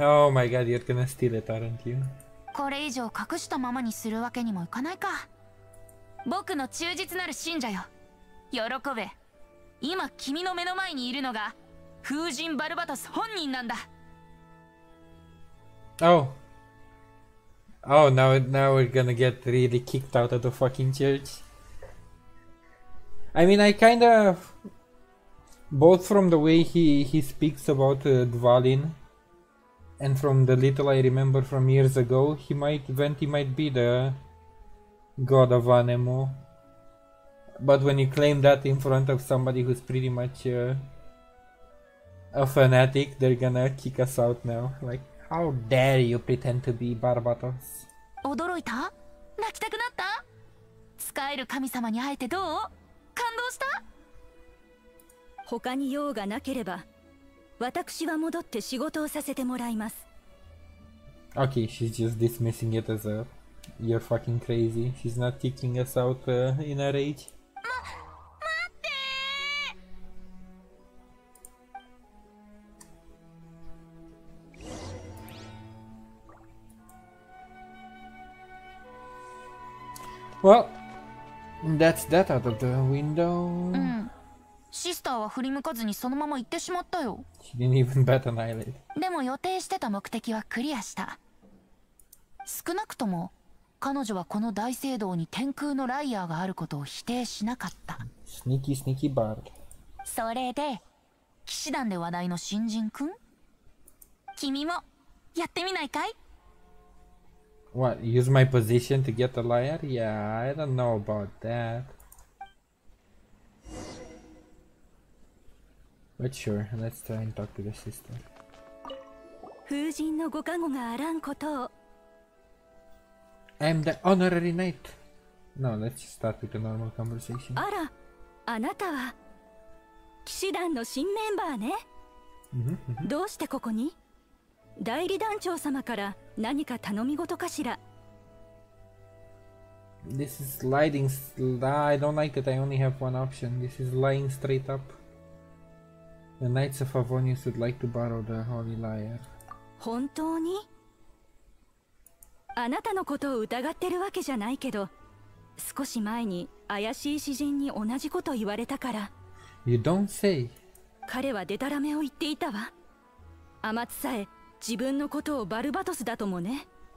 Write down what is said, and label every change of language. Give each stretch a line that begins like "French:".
English: Oh my god, you're gonna steal it, aren't you?
Japanese: これ以上隠したままにするわけにもいかないか。僕の忠実なる信者よ、喜べ。今君の目の前にいるのが風神バルバタス本人なんだ。
English: Oh, now we're gonna get really kicked out of the fucking church. I mean, I kind of, both from the way he speaks about Dvalin and from the little I remember from years ago, Venti might be the god of Anemo. But when you claim that in front of somebody who's pretty much a fanatic, they're gonna kick us out now. Like, how dare you pretend to be Barbatos?
Japanese: 驚いた？泣きたくなった？使える神様に会えてどう？感動した？他に用がなければ、私は戻って仕事をさせてもらいます。
English: Okay, she's just dismissing it as a you're fucking crazy. She's not kicking us out in a rage. Well, that's that out of the window.
Japanese: Sister は振り向かずにそのまま行ってしまったよ。
English: She didn't even bat an eyelid.
Japanese: でも予定してた目的はクリアした。少なくとも彼女はこの大聖堂に天空のライヤーがあることを否定しなかった。
English: Sneaky, sneaky bard.
Japanese: それで騎士団で話題の新人くん、君もやってみないかい？
English: What, use my position to get the liar? Yeah, I don't know about that. But sure, let's try and talk to the sister.
Japanese: 風神のご加護があらんこと
English: を。I'm the honorary knight. No, let's just start with a normal conversation.
Japanese: あら、あなたは騎士団の新メンバーね。どうしてここに？代理団長様から何か頼み事かしら。
English: This is lying. I don't like it. I only have one option. This is lying straight up. The Knights of Avonius would like to borrow the Holy Liar.
Japanese: 本当に？あなたのことを疑ってるわけじゃないけど、少し前に怪しい詩人に同じこと言われたから。
English: You don't say.
Japanese: 彼はデタラメを言っていたわ。アマツさえ自分のことをバルバトスだともね。